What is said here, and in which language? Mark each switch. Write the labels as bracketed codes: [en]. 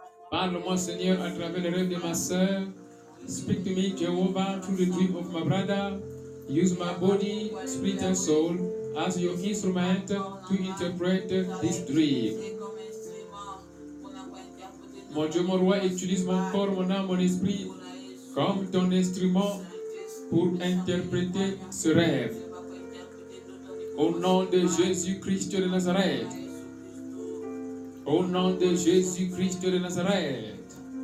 [fr] Parle-moi, Seigneur, à travers le rêve de ma soeur. [en] Speak to me, Jehovah, through the dream of my brother. Use my body, spirit, and soul as your instrument to interpret this dream. [fr] Mon Dieu, mon roi, utilise mon corps, mon âme, mon esprit comme ton instrument pour interpréter ce rêve. Au nom de Jésus-Christ de Nazareth. Au nom de Jésus-Christ de Nazareth.